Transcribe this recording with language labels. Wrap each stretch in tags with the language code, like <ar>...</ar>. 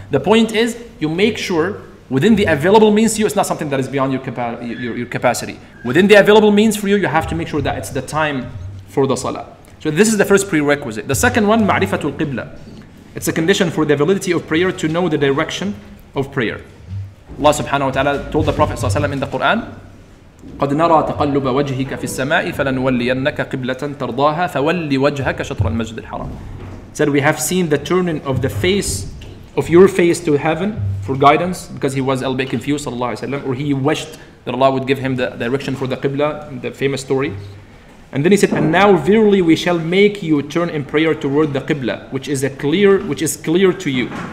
<en>The point is, you make sure within the available means to you, it's not something that is beyond your capacity. Within the available means for you, you have to make sure that it's the time for the salah. So this is the first prerequisite. The second one, ma'rifatul qibla. It's a condition for the validity of prayer to know the direction of prayer. Allah subhanahu wa ta'ala told the Prophet sallallahu alaihi wasallam in the Quran,</en> <ar>قد نرى تقلب وجهك في السماء فلنولينك قبلة ترضاها فولي وجهك شطر المسجد الحرام.</ar> <en>Said we have seen the turning of the face of your face to heaven for guidance, because he was a little bit confused, sallallahu alayhi wa sallam, or he wished that Allah would give him the direction for the Qibla, the famous story. And then he said, and now verily we shall make you turn in prayer toward the Qibla, which is clear to you.</en>